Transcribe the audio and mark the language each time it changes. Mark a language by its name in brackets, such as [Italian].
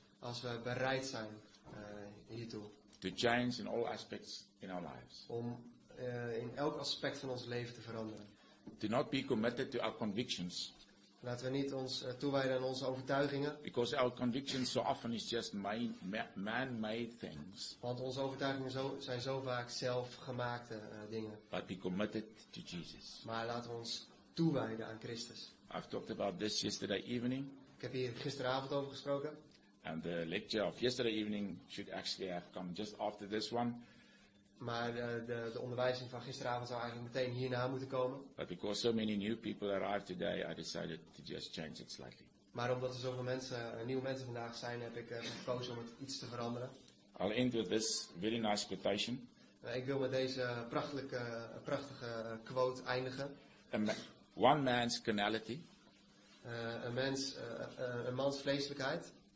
[Dutch] Als we bereid zijn hiertoe. [English] To change in all aspects in our lives. [Dutch] Om in elk aspect van ons leven te veranderen. [English] To not be committed to our convictions. [Dutch] Laten we niet ons toewijden aan onze overtuigingen. [English] Because our convictions so often is just man-made things. [Dutch] Want onze overtuigingen zijn zo vaak zelfgemaakte dingen. [English] But be committed to Jesus. [Dutch] Maar laten we ons toewijden aan Christus. [English] I've talked about this yesterday evening. [Dutch] Ik heb hier gisteravond over gesproken. [English] And the lecture of yesterday evening should actually have come just after this one. [Dutch] Maar de onderwijzing van gisteravond zou eigenlijk meteen hierna moeten komen. [English] But because so many new people arrived today, I decided to just change it slightly. [Dutch] Maar omdat er zoveel mensen, nieuwe mensen vandaag zijn, heb ik gekozen om het iets te veranderen. [English] I'll end with this very nice quotation. [Dutch] Ik wil met deze prachtige quote eindigen. [English] One man's carnality. [Dutch] Een mans vleeselijkheid.